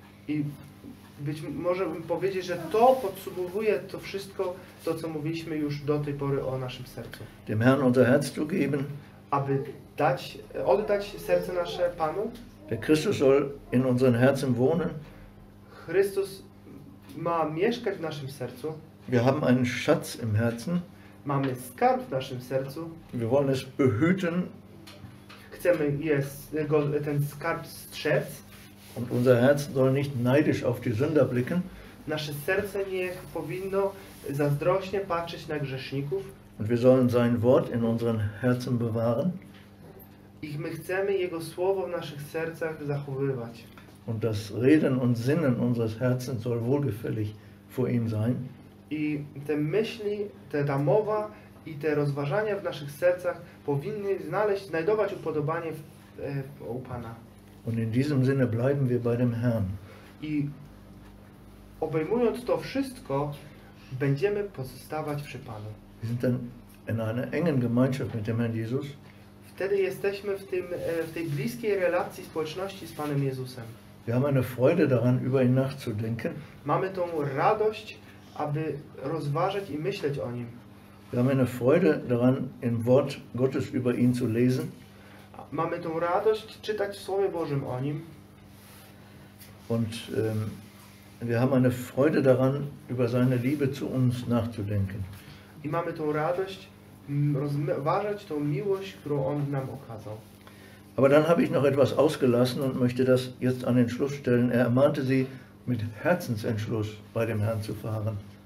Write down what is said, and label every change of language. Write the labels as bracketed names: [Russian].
[Polish] I być może bym powiedzieć, że to podsumowuje to wszystko, to co mówiliśmy już do tej pory o naszym sercu. [German] Dem Herrn unser Herz zu geben. [Polish] Aby dać, oddać serce nasze Panu. [German] Der Christus soll in unseren Herzen wohnen. [Polish] Chrystus ma mieszkać w naszym sercu. [German] Wir haben einen Schatz im Herzen. [Polish] Mamy skarb w naszym sercu. [German] Wir wollen es behüten. [Polish] Chcemy ten skarb strzec. [German] Und unser Herz soll nicht neidisch auf die Sünder blicken. [Polish] Nasze serce niech powinno zazdrośnie patrzeć na grzeszników. [German] Und wir sollen sein Wort in unseren Herzen bewahren. [Polish] I my chcemy Jego Słowo w naszych sercach zachowywać. [German] Und das Reden und Sinnen unseres Herzens soll wohlgefällig vor ihm sein. [Polish] I te myśli, ta mowa i te rozważania w naszych sercach powinny znajdować upodobanie u Pana. [German] Und in diesem Sinne bleiben wir bei dem Herrn. [Polish] I obejmując to wszystko, będziemy pozostawać przy Panu. [German] Wir sind dann in einer engen Gemeinschaft mit dem Herrn Jesus. [Polish] Wtedy jesteśmy w tej bliskiej relacji, społeczności z Panem Jezusem. [German] Wir haben eine Freude daran, über ihn nachzudenken. [Polish] Mamy tą radość, aby rozważać i myśleć o nim. [German] Wir haben eine Freude daran, im Wort Gottes über ihn zu lesen. [Polish] Mamy tą radość czytać w Słowie Bożym o nim. [German] Und wir haben eine Freude daran, über seine Liebe zu uns nachzudenken. [Polish] I mamy tą radość rozważać tą miłość, którą on nam okazał. [German] Aber dann habe ich noch etwas ausgelassen und möchte das jetzt an den Schluss stellen. Er ermahnte sie, mit Herzensentschluss bei dem Herrn zu fahren.